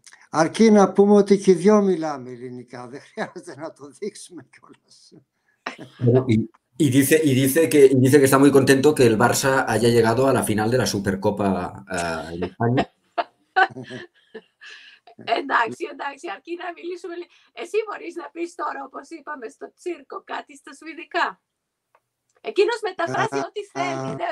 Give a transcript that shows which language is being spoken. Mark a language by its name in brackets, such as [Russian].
[Greek] Αρκεί να πούμε ότι και οι δυο μιλάμε ελληνικά, δεν χρειάζεται να το δείξουμε κιόλας. [Spanish] Y dice que está muy contento que el Barça haya llegado a la final de la Supercopa en España. [Greek] Εντάξει, αρκεί να μιλήσουμε. Εσύ μπορείς να πεις τώρα, όπως είπαμε, στο τσίρκο κάτι στα σουηδικά. Εκείνος μεταφράζει ό,τι θέλει.